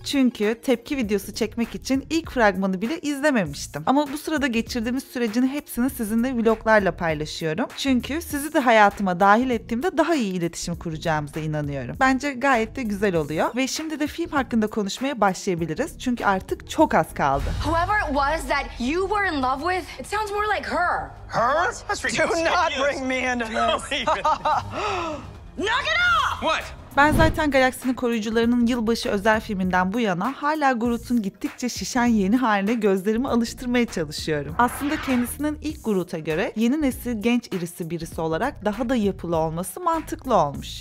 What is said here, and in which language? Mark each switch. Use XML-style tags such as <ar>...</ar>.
<tr>Çünkü tepki videosu çekmek için ilk fragmanı bile izlememiştim. Ama bu sırada geçirdiğimiz sürecin hepsini sizinle vloglarla paylaşıyorum. Çünkü sizi de hayatıma dahil ettiğimde daha iyi iletişim kuracağımıza inanıyorum. Bence gayet de güzel oluyor. Ve şimdi de film hakkında konuşmaya başlayabiliriz. Çünkü artık çok az kaldı.</tr> <en>Whoever it was that you were in love with, it sounds more like her. Her? Do not bring me into this. Knock it off! What?</en> <tr>Ben zaten Galaksinin Koruyucuları'nın yılbaşı özel filminden bu yana hala Groot'un gittikçe şişen yeni haline gözlerimi alıştırmaya çalışıyorum. Aslında kendisinin ilk Groot'a göre yeni nesil genç irisi birisi olarak daha da yapılı olması mantıklı olmuş.</tr>